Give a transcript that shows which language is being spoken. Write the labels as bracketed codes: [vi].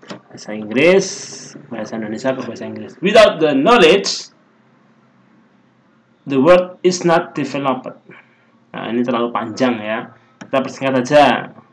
[id] Bahasa Inggris, bahasa Indonesia ke bahasa Inggris. [en] Without the knowledge, the world is not developed. [id] Nah, ini terlalu panjang ya. Kita persingkat aja.